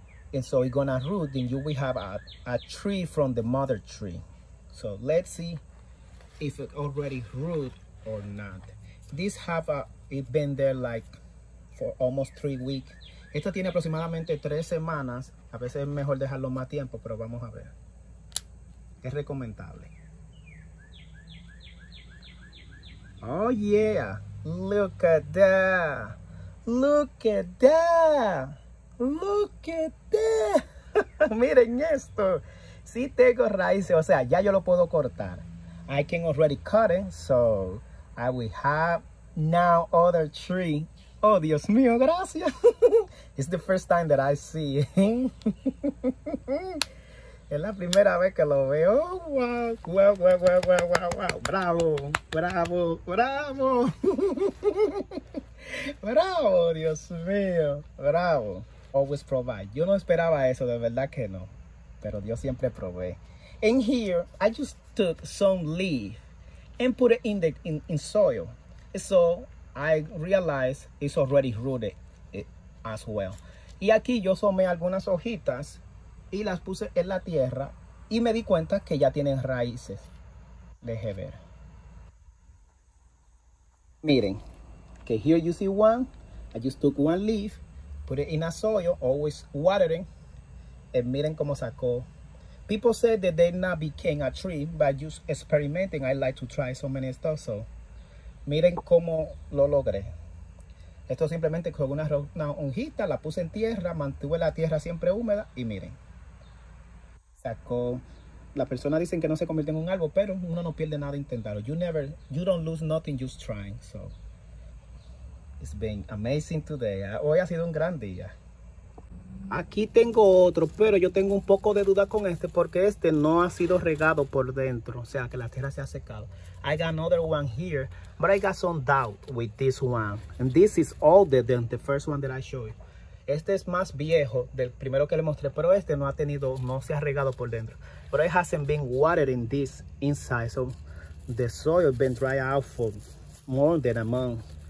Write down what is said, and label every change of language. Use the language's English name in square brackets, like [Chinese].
[English] And so it's gonna root, then you will have a tree from the mother tree. So let's see if it already root or not. This have it's been there like for almost 3 weeks. [Spanish] Esto tiene aproximadamente 3 semanas. A veces es mejor dejarlo más tiempo, pero vamos a ver. Es recomendable. [English] Oh yeah, look at that. Look at that. Look at that. [Spanish] Miren esto. Sí tengo raíces, o sea, ya yo lo puedo cortar. [English] I can already cut it, so I will have now other tree. [Spanish] Oh, Dios mío, gracias. [English] It's the first time that I see it. [Spanish] Es la primera vez que lo veo. Oh, wow, wow, wow, wow, wow, wow, wow. Bravo, bravo, bravo. Bravo, Dios mío, bravo. [English] Always provide. [Spanish] Yo no esperaba eso, de verdad que no. Pero Dios siempre provee. [English] And here, I just took some leaf and put it in soil. So, I realized it's already rooted as well. [Spanish] Y aquí yo tomé algunas hojitas y las puse en la tierra y me di cuenta que ya tienen raíces. Deje ver. Miren, que [English] okay, here you see one. I just took one leaf. Put it in a soil, always watering. And [Spanish] miren cómo sacó. [English] People said that they not became a tree, but just experimenting. I like to try so many stuff. So, [Spanish] miren cómo lo logré. Esto simplemente con una hojita, la puse en tierra, mantuve la tierra siempre húmeda. Y miren, sacó. Las personas dicen que no se convierte en un árbol, pero uno no pierde nada intentarlo. [English] You don't lose nothing just trying, so. It's been amazing today. [Spanish] Hoy ha sido un gran día. Aquí tengo otro, pero yo tengo un poco de duda con este porque este no ha sido regado por dentro. O sea, que la tierra se ha secado. [English] I got another one here, but I got some doubt with this one. And this is older than the first one that I showed you. [Spanish] Este es más viejo del primero que le mostré, pero este no se ha regado por dentro. [English] But it hasn't been watered in this inside. So the soil has been dry out for more than a month.